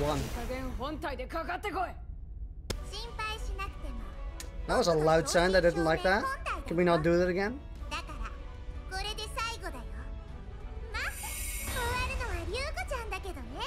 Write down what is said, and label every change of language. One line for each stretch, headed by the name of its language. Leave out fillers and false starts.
Japanese: 加減本体でかかってこい。心配しなくても。
English: That was a loud sound. I didn't like that. Can we not do that again?
Japanese: だから、これで最後だよ。まあ、終わるのはユウコちゃんだけどね。